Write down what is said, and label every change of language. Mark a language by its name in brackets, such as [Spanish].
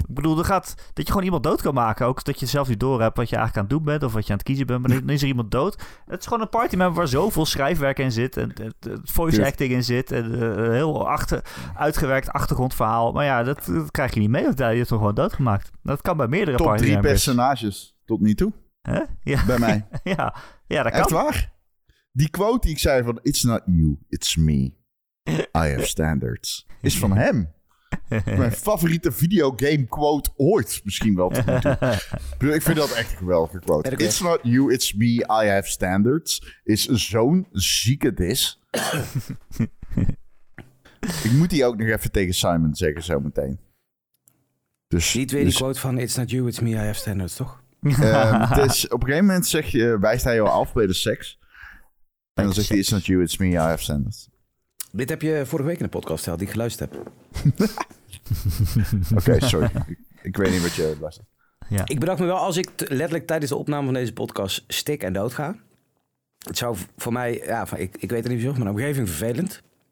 [Dutch] Ik bedoel, dat je gewoon iemand dood kan maken. Ook dat je zelf niet door hebt wat je eigenlijk aan het doen bent. Of wat je aan het kiezen bent. Maar dan is er iemand dood. Het is gewoon een party member waar zoveel schrijfwerk in zit. En voice acting in zit. En heel uitgewerkt achtergrondverhaal. Maar ja, dat krijg je niet mee. Want je hebt hem gewoon doodgemaakt. Dat kan bij meerdere party members. Top 3 personages tot nu toe. Hè? Ja. Bij mij. Ja. Ja, dat kan. Echt waar? Die quote die ik zei van, [English] it's not you, it's me, I have standards, [Dutch] is van hem. Mijn favoriete videogame quote ooit, misschien wel. Ik vind dat echt een geweldige quote. [English] It's not you, it's me, I have standards, [Dutch] is zo'n zieke dis. Ik moet die ook nog even tegen Simon zeggen zometeen. Dus, die tweede quote van, [English] it's not you, it's me, I have standards, [Dutch] toch? Dus op een gegeven moment zeg je, wijst hij jou af bij de seks. En dan zegt hij, [English] it's not you, it's me, I have standards. [Dutch] Dit heb je vorige week in de podcast gehad, die ik geluisterd heb. Oké, sorry. Ik weet niet wat je luistert. Ja. Ik bedacht me wel, als ik letterlijk tijdens de opname van deze podcast stik en dood ga. Het zou voor mij, ja, ik weet het niet veel, mijn omgeving vervelend.